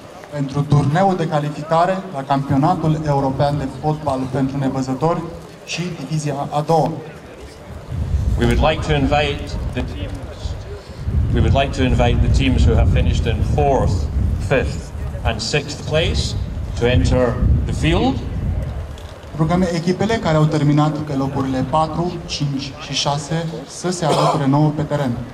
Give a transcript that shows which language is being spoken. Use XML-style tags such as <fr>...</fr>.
<ro>Pentru turneul de calificare la campionatul european de fotbal pentru nevăzători și divizia a doua.</ro> <en>We would like to invite the teams who have finished in 4th, 5th and 6th place to enter the field.</en> <ro>Rugăm echipele care au terminat pe locurile 4, 5 și 6 să se alăture nouă pe teren.</ro>